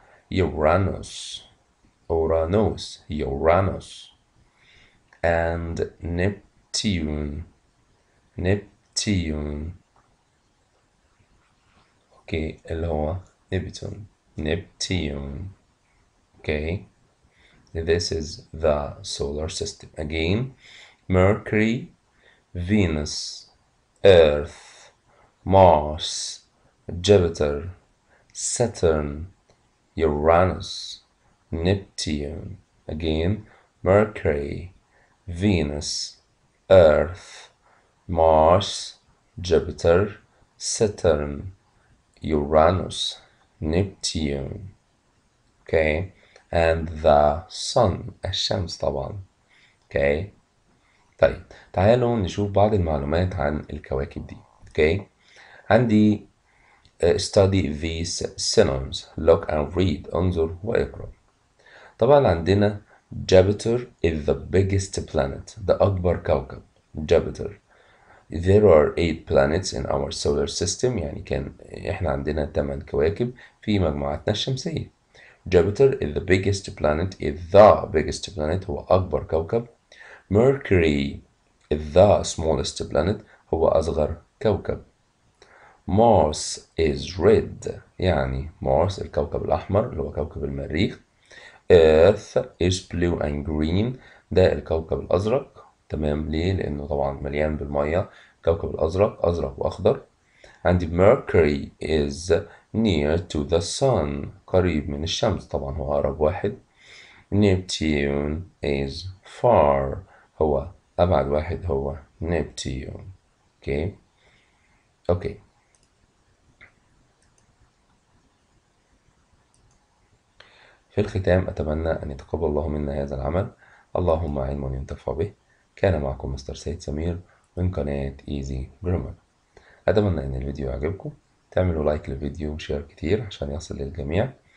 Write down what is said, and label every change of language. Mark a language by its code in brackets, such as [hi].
[ar] يورانوس اورانوس يورانوس. and نبتيون نبتيون اوكي اللي هو نبتون نبتيون. [en] Okay this is the solar system again. mercury venus earth Mars, Jupiter, Saturn, Uranus, Neptune. Again, Mercury, Venus, Earth, Mars, Jupiter, Saturn, Uranus, Neptune. Okay, and the Sun, [ar] الشمس طبعا. Okay, طيب تعالوا نشوف بعض المعلومات عن الكواكب دي. [en] Okay. عندي study these synonyms look and read [ar] انظر واقرأ. طبعا عندنا [en] Jupiter is the biggest planet the [ar] أكبر كوكب [en] Jupiter. There are 8 planets in our solar system [ar] يعني كان احنا عندنا 8 كواكب في مجموعتنا الشمسية. [en] Jupiter is the biggest planet is the biggest planet [ar] هو أكبر كوكب. [en] Mercury is the smallest planet [ar] هو أصغر كوكب. [en] Mars is red [ar] يعني Mars الكوكب الأحمر اللي هو كوكب المريخ. [en] Earth is blue and green [ar] ده الكوكب الأزرق. تمام ليه؟ لأنه طبعا مليان بالمية كوكب الأزرق أزرق وأخضر. عندي [en] Mercury is near to the sun [ar] قريب من الشمس طبعا هو أقرب واحد. [en] Neptune is far [ar] هو أبعد واحد هو [en] Neptune. Okay. Okay. [ar] في الختام أتمنى أن يتقبل الله منا هذا العمل، اللهم علما ينتفع به. كان معكم مستر سيد سمير من قناة إيزي جرامر. أتمنى أن الفيديو يعجبكم، تعملوا لايك للفيديو وشير كتير عشان يصل للجميع.